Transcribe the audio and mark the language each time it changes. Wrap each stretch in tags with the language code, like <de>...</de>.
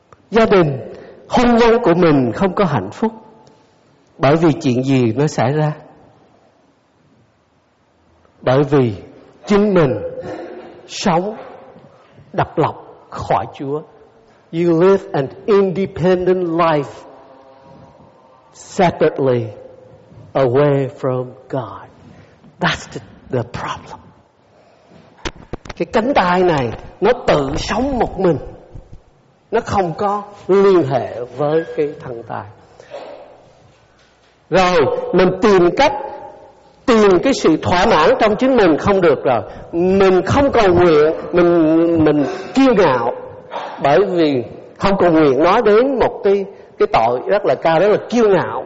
<vi>Gia đình, hôn nhân của mình không có hạnh phúc. Bởi vì chuyện gì nó xảy ra? Bởi vì chính mình sống độc lập khỏi Chúa.</vi> <en>You live an independent life separately away from God. That's the problem.</en> <vi>Cái cánh tay này nó tự sống một mình, nó không có liên hệ với cái thân tài. Rồi mình tìm cách tìm cái sự thỏa mãn trong chính mình không được rồi, mình không cầu nguyện, mình kiêu ngạo, bởi vì không cầu nguyện nói đến một cái tội rất là cao, đó là kiêu ngạo.</vi>